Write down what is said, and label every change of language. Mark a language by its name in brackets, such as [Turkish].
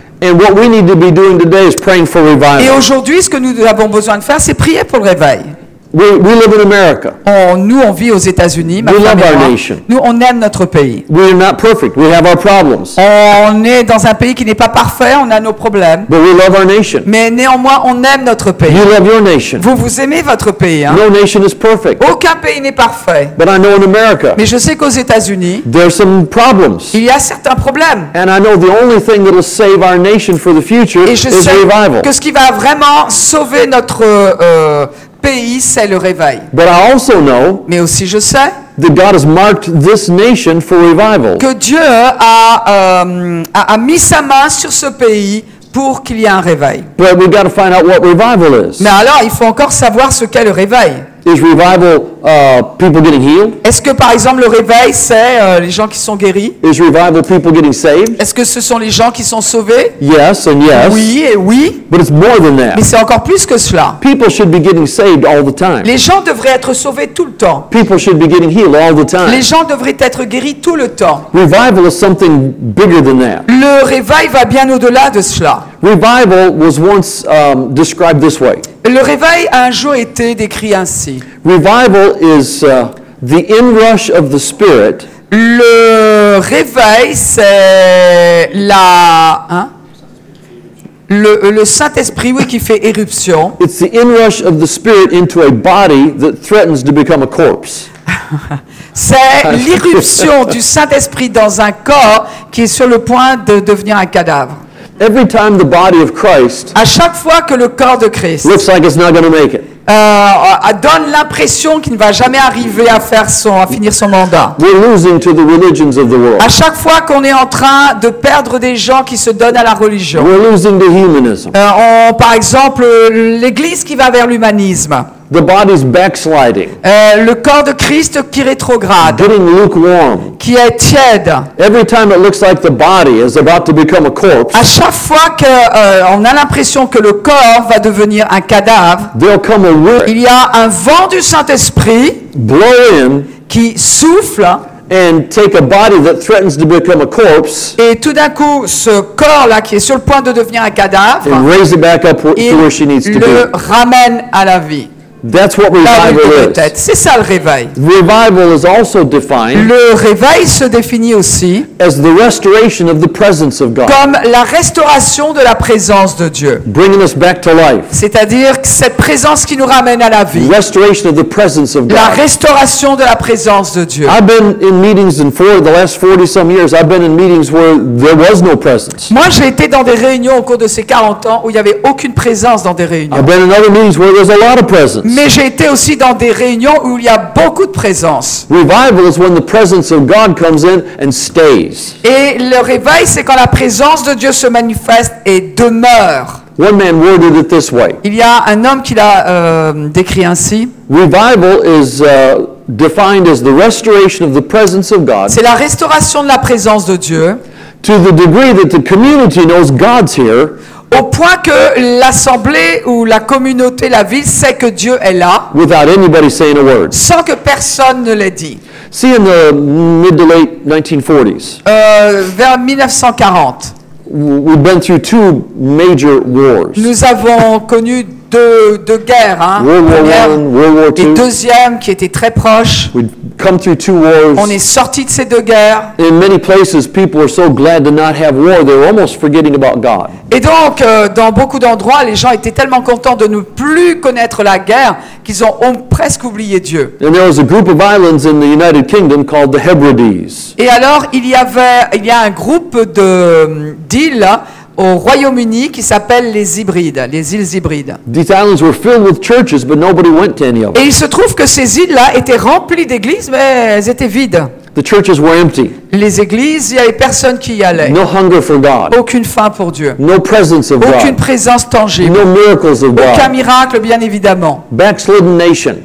[English] And what we need to be doing today is praying for revival. [French] Et aujourd'hui, ce que nous avons besoin de faire, c'est prier pour le réveil. [English] We live in America. [French] Nous on vit aux États-Unis, [English] we love our nation. [French] Nous on aime notre pays. [English] We're not perfect. We have our problems. [French] On est dans un pays qui n'est pas parfait, on a nos problèmes. [English] But we love our nation. [French] Mais néanmoins, on aime notre pays. [English] You love your nation. [French] Vous aimez votre pays, hein? [English] No nation is perfect. [French] Aucun pays n'est parfait. [English] But I know in America. [French] Mais je sais qu'aux États-Unis, [English] there's some problems. [French] Il y a certains problèmes. [English] And I know the only thing that will save our nation for the future is revival. [French] Que ce qui va vraiment sauver notre pays, c'est le réveil. [English] But I also know, [French] mais aussi je sais, [English] that God has marked this nation for revival. [French] Que Dieu a mis sa main sur ce pays pour qu'il y ait un réveil. [English] But we got to find out what revival is. [French] Mais alors, il faut encore savoir ce qu'est le réveil. [English] Is revival people getting healed? [French] Est-ce que par exemple le réveil c'est les gens qui sont guéris? [English] Is revival people getting saved? [French] Est-ce que ce sont les gens qui sont sauvés? [English] Yes and yes. [French] Oui et oui. [English] But it's more than that. [French] Mais c'est encore plus que cela. [English] People should be getting saved all the time. [French] Les gens devraient être sauvés tout le temps. [English] People should be getting healed all the time. [French] Les gens devraient être guéris tout le temps. [English] Revival is something bigger than that. [French] Le réveil va bien au-delà de cela. [English] Revival was once described this way. [French] Le réveil a un jour été décrit ainsi. [English] Revival is the inrush of the spirit. [French] Le réveil c'est la le Saint-Esprit oui qui fait éruption. [English] It's the inrush of the spirit into a body that threatens to become a corpse. [French] C'est l'irruption du Saint-Esprit dans un corps qui est sur le point de devenir un cadavre. [English] Every time the body of Christ, [French] à chaque fois que le corps de Christ, [English] looks like it's not going to make it, [French] donne l'impression qu'il ne va jamais arriver à faire son, à finir son mandat. [English] We're losing to the religions of the world. [French] À chaque fois qu'on est en train de perdre des gens qui se donnent à la religion. [English] We're losing to humanism. [French] Par exemple, l'Église qui va vers l'humanisme. [English] The body's backsliding. [French] Le corps de Christ qui rétrograde. [English] Getting lukewarm. [French] Qui est tiède. [English] Every time it looks like the body is about to become a corpse. [French] À chaque fois que on a l'impression que le corps va devenir un cadavre. [English] There'll come a wind. [French] Il y a un vent du Saint-Esprit. [English] Blow in. [French] Qui souffle. [English] And take a body that threatens to become a corpse. [French] Et tout d'un coup, ce corps-là qui est sur le point de devenir un cadavre. [English] And raise it back up to where she needs to be. [French] Le ramène à la vie. [English] That's what revival is. [French] C'est ça le réveil. [English] Revival is also defined. [French] Le réveil se définit aussi [English] as the restoration of the presence of God. [French] Comme la restauration de la présence de Dieu. [English] Bringing us back to life. [French] C'est-à-dire cette présence qui nous ramène à la vie. [English] Restoration of the presence of God. [French] La restauration de la présence de Dieu. [English] I've been in meetings in the last 40 some years. I've been in meetings where there was no presence. [French] Moi, j'ai été dans des réunions au cours de ces 40 ans où il y avait aucune présence dans des réunions. [English] I've been in other meetings where there was a lot of presence. [French] Mais j'ai été aussi dans des réunions où il y a beaucoup de présence. [English] Revival is when the presence of God comes in and stays. [French] Et le réveil, c'est quand la présence de Dieu se manifeste et demeure. [English] One man worded it this way. [French] Il y a un homme qui l'a décrit ainsi. [English] Revival is defined as the restoration of the presence of God. [French] C'est la restauration de la présence de Dieu. [English] To the degree that the community knows God's here. [French] Au point que l'assemblée ou la communauté, la ville sait que Dieu est là. [English] Without anybody saying a word. [French] Sans que personne ne l'ait dit. [English] See in the mid to late 1940s. [French] Vers 1940. [English] We've been through two major wars. [French] Nous avons connu deux guerres, hein. [English] World War One, World War Two. [French] Et deuxième qui était très proche. [English] We've come through two wars. [French] On est sorti de ces deux guerres. [English] In many places, people are so glad to not have war, they're almost forgetting about God. [French] Et donc, dans beaucoup d'endroits, les gens étaient tellement contents de ne plus connaître la guerre qu'ils ont presque oublié Dieu. [English] And there was a group of islands in the United Kingdom called the Hebrides. [French] Et alors, il y a un groupe d'îles au Royaume-Uni qui s'appelle les Hybrides, les îles Hybrides. [English] These islands were filled with churches, but nobody went to any of them. [French] Et il se trouve que ces îles-là étaient remplies d'églises, mais elles étaient vides. [English] The churches were empty. [French] Les églises, il n'y avait personne qui y allait. [English] No hunger for God. [French] Aucune faim pour Dieu. [English] No presence of God. [French] Aucune présence tangible. [English] No miracles of God. [French] Aucun miracle, bien évidemment. [English] Backslidden nation.